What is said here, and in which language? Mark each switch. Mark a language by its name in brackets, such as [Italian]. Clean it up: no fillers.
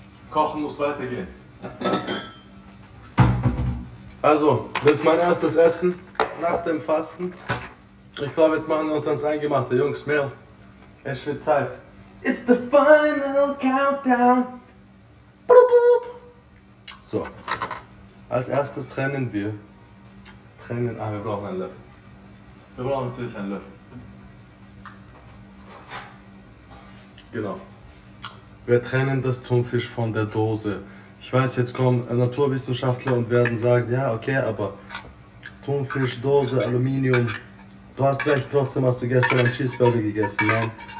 [German] Kochen muss weitergehen. Also, das ist mein erstes Essen nach dem Fasten. Ich glaube, jetzt machen wir uns ans Eingemachte. Jungs, Mädels, es wird Zeit. [English] It's the final countdown. [German] So, als erstes trennen wir. Wir brauchen einen Löffel. Wir brauchen natürlich einen Löffel. Genau. Wir trennen das Thunfisch von der Dose. Ich weiß, jetzt kommen Naturwissenschaftler und werden sagen, ja, okay, aber Thunfisch, Dose, Aluminium, du hast recht, trotzdem hast du gestern einen Cheeseburger gegessen, Mann.